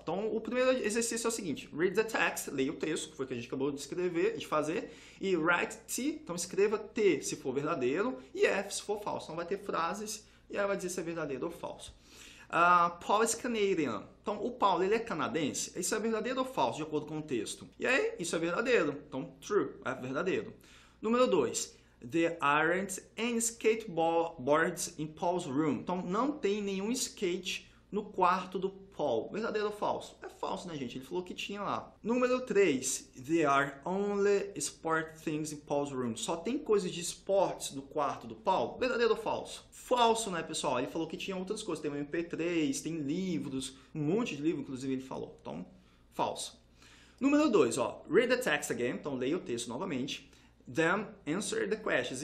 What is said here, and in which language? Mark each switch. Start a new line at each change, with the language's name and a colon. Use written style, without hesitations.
Portuguese: Então o primeiro exercício é o seguinte,
English: read the text,
Portuguese: leia o texto, que foi o que a gente acabou de escrever, de fazer, e write T, então escreva T se for verdadeiro, e F se for falso. Então vai ter frases e aí vai dizer se é verdadeiro ou falso.
English: Paul is Canadian.
Portuguese: Então, o Paulo, ele é canadense? Isso é verdadeiro ou falso, de acordo com o texto? E aí, isso é verdadeiro. Então, true, é verdadeiro.
English: Número 2, there aren't any skateboards in Paul's room.
Portuguese: Então, não tem nenhum skate no quarto do Paul. Verdadeiro ou falso? É falso, né, gente? Ele falou que tinha lá.
English: Número 3, there are only sport things in Paul's room.
Portuguese: Só tem coisas de esportes no quarto do Paul? Verdadeiro ou falso? Falso, né, pessoal? Ele falou que tinha outras coisas. Tem um MP3, tem livros, um monte de livro, inclusive, ele falou. Então, falso. Número 2, ó,
English: read the text again.
Portuguese: Então, leia o texto novamente.
English: Then answer the questions.